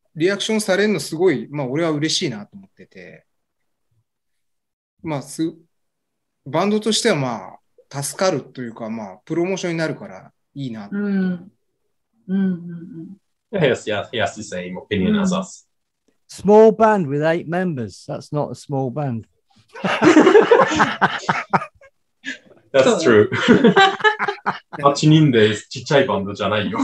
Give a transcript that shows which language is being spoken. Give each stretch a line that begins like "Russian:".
Japanese: リアクションされるのすごい、まあ俺は嬉しいなと思ってて。まあバンドとしてはまあ助かるというかまあプロモーションになるからいいなと。
English: Yes, he has the same opinion as us. Small band with 8 members. That's not a small band. That's true.
Japanese: 8人でちっちゃいバンドじゃないよ。